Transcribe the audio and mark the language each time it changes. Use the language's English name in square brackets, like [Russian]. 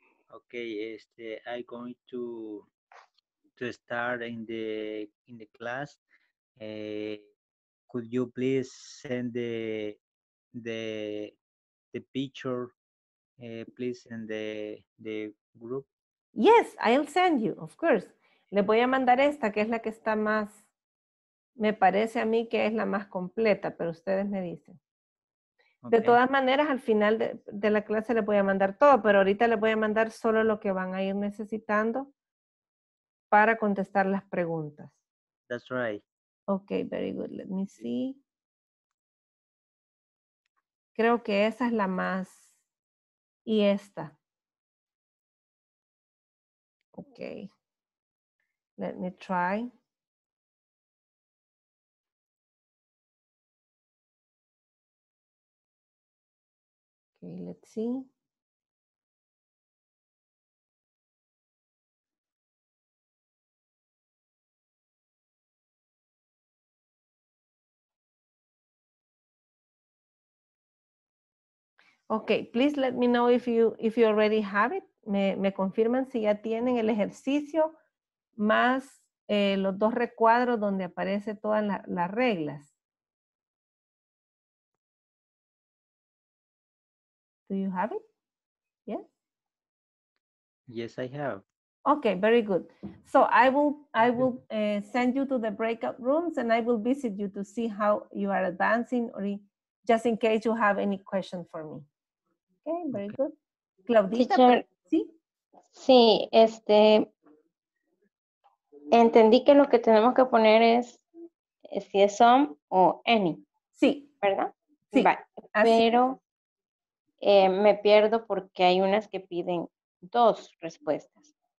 [English] Ok, I'm going to start in the class. Could you please send the picture, please, in the group? Yes, I'll send you, of course. [Spanish] Le voy a mandar esta, que es la que está más, me parece a mí que es la más completa, pero ustedes me dicen. Okay. De todas maneras, al final de la clase le voy a mandar todo, pero ahorita le voy a mandar solo lo que van a ir necesitando para contestar las preguntas. [English] That's right. Okay, very good. Let me see. [Spanish] Creo que esa es la más, y esta. [English] Okay. Let me try. Okay, let's see. Okay, please let me know if you already have it. [Spanish] Me confirman si ya tienen el ejercicio. Más los 2 recuadros donde aparece todas las reglas. [English] Do you have it? Yes? Yes, I have. Okay, very good. So I will send you to the breakout rooms and I will visit you to see how you are advancing, or just in case you have any question for me. Okay, very good. Claudita, [Spanish] teacher, sí, entendí que lo que tenemos que poner es si es some o any. Sí. ¿Verdad? Sí. Vale. Pero me pierdo porque hay unas que piden dos respuestas.